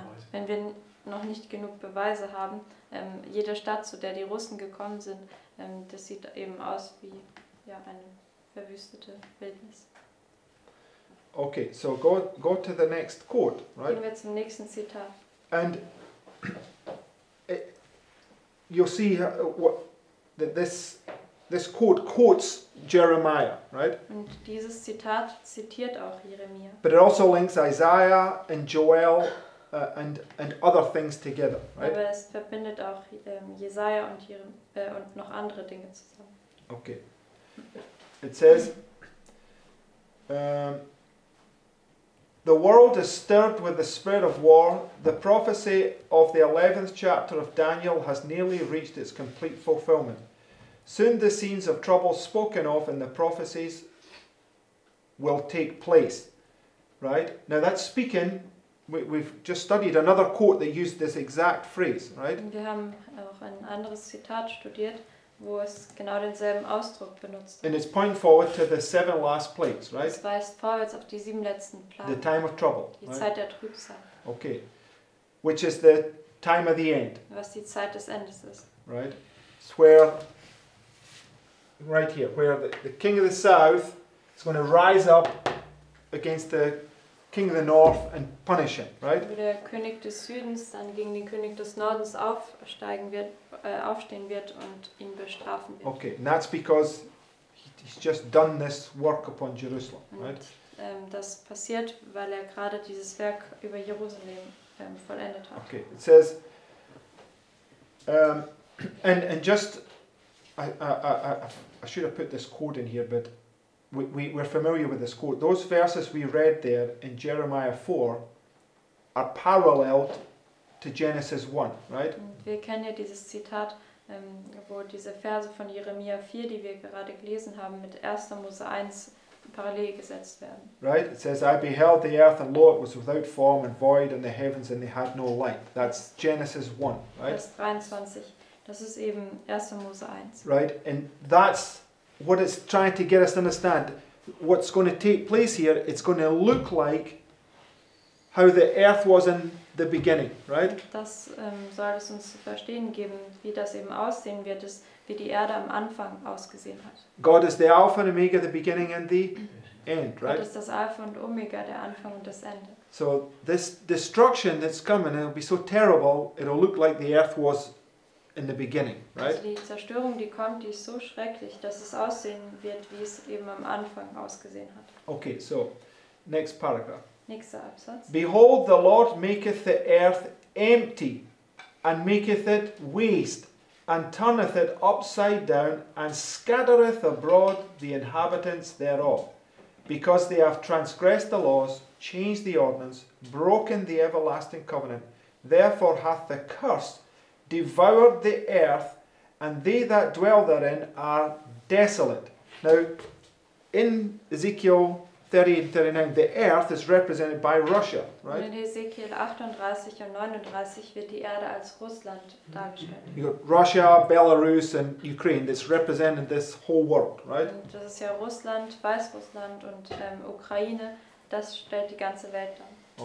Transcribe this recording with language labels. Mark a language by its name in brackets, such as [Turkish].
[German] Wenn wir noch nicht genug Beweise haben, jede Stadt, zu der die Russen gekommen sind, das sieht eben aus wie ja, eine verwüstete Wildnis. [English] Okay, so go to the next quote, right? [German] Gehen wir zum nächsten Zitat. [English] And you'll see that this quote quotes Jeremiah, right? [German] Und dieses Zitat zitiert auch Jeremia. [English] But it also links Isaiah and Joel and other things together, right? [German] Aber es verbindet auch Jesaja und und noch andere Dinge zusammen. [English] Okay. It says the world is stirred with the spread of war. The prophecy of the 11th chapter of Daniel has nearly reached its complete fulfillment. Soon the scenes of trouble spoken of in the prophecies will take place. Right? Now that's speaking, we've just studied another quote that used this exact phrase, right? [German] Wir haben auch ein anderes Zitat studiert, wo es genau denselben Ausdruck benutzt. [English] And it's pointing forward to the seven last plagues, right? [German] Es weist vorwärts auf die sieben letzten Plagen. [English] The time of trouble. [German] Die Zeit der Trübsal. [English] Okay. Which is the time of the end. [German] Was die Zeit des Endes ist. [English] Right? It's where, right here, where the king of the south is going to rise up against the king of the north and punish him, right? [German] Wo der König des Südens dann gegen den König des Nordens aufstehen wird und ihn bestrafen wird. [English] Okay, and that's because he's just done this work upon Jerusalem, [German] und, [English] right? [German] Das passiert, weil er gerade dieses Werk über Jerusalem vollendet hat. [English] Okay, it says, and just, I should have put this quote in here, but we're familiar with this quote. Those verses we read there in Jeremiah 4 are paralleled to Genesis 1, right? [German] Wir kennen ja dieses Zitat, wo diese Verse von Jeremia 4, die wir gerade gelesen haben, mit 1. Mose 1 parallel gesetzt werden. [English] Right? It says, I beheld the earth, and lo, it was without form and void, and the heavens, and they had no light. That's Genesis 1, right? [German] Vers 23. Das ist eben 1. Mose 1. [English] Right? And that's what it's trying to get us to understand. What's going to take place here, it's going to look like how the earth was in the beginning, right? [German] Das soll es uns zu verstehen geben, wie das eben aussehen wird, wie die Erde am Anfang ausgesehen hat. [English] God is the Alpha and Omega, the beginning and the end, right? [German] Gott ist das Alpha und Omega, der Anfang und das Ende. [English] So this destruction that's coming, it'll be so terrible, it'll look like the earth was in the beginning, right? [German] Also die Zerstörung, die kommt, die ist so schrecklich, dass es aussehen wird, wie es eben am Anfang ausgesehen hat. [English] Okay, so, next paragraph. [German] Nächster Absatz. [English] Behold, the Lord maketh the earth empty, and maketh it waste, and turneth it upside down, and scattereth abroad the inhabitants thereof, because they have transgressed the laws, changed the ordinance, broken the everlasting covenant. Therefore hath the curse devoured the earth, and they that dwell therein are desolate. Now, in Ezekiel 30 and 39, the earth is represented by Russia, right? [German] In Ezekiel 38 and 39 wird die Erde als Russland dargestellt. [English] You got Russia, Belarus and Ukraine, that's represented this whole world, right? [German] Und das ist ja Russland, Weißrussland und Ukraine, das stellt die ganze Welt dar.